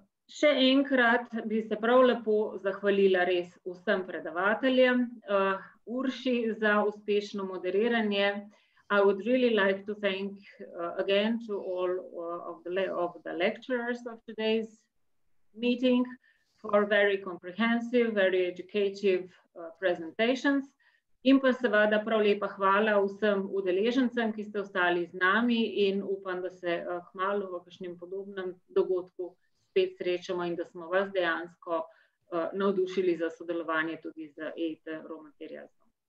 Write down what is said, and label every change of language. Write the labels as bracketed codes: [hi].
[sl] Še enkrat bi se prav lepo zahvalila res vsem predavateljem, Urši za uspešno moderiranje. [en] I would really like to thank again to all of the lecturers of today's meeting for very comprehensive, very educative presentations. [sl] In pa seveda prav lepa hvala vsem udeležencem, ki ste ostali z nami in upam, da se kmalu v kakšnem podobnem dogodku spet srečamo in da smo vas dejansko navdušili za sodelovanje tudi z EIT RawMaterialsom.